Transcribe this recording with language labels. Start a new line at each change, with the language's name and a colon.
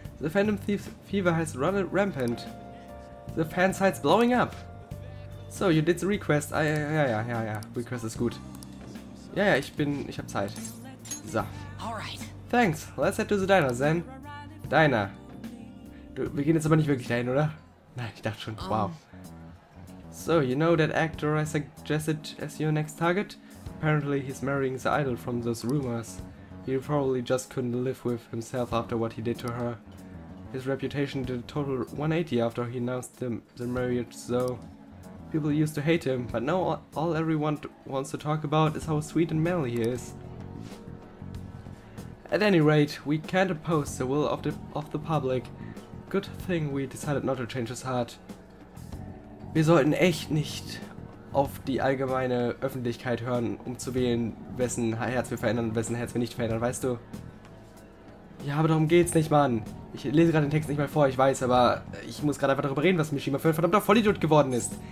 English: The Phantom Thief's Fever has run rampant. The fan site's blowing up. So, you did the request. Request is good.
German: Ich hab Zeit.
English: So. Alright. Thanks. Let's head to the diner, then. Diner.
German: Wir gehen jetzt aber nicht wirklich dahin, oder? Nein, ich dachte schon. Wow.
English: So, you know that actor I suggested as your next target? Apparently he's marrying the idol from those rumors. He probably just couldn't live with himself after what he did to her. His reputation did a total 180 after he announced the marriage, so... People used to hate him, but now all everyone wants to talk about is how sweet and manly he is. At any rate, we can't oppose the will of the public. Good thing we decided not to change his heart.
German: Wir sollten echt nicht auf die allgemeine Öffentlichkeit hören, um zu wählen, wessen Herz wir verändern und wessen Herz wir nicht verändern, weißt du? Ja, aber darum geht's nicht, Mann. Ich lese gerade den Text nicht mal vor, ich weiß, aber ich muss gerade einfach darüber reden, was Mishima für ein verdammter Vollidiot geworden ist.